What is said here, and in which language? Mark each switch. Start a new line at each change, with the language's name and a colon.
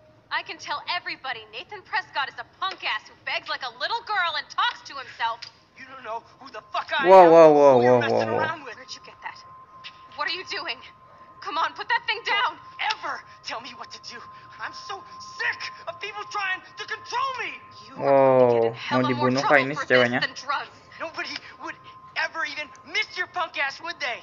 English: I can tell everybody Nathan Prescott is a punk ass who begs like a little girl and talks to himself. You don't know who the fuck I am. Whoa. Where'd you get that? What are you doing? Come on, put that thing down. Don't ever tell me what to do. I'm so sick of people trying to control me.
Indonesian: Mau dibunuh kah ini ceweknya?
English: Nobody would ever even miss your punk ass, would they?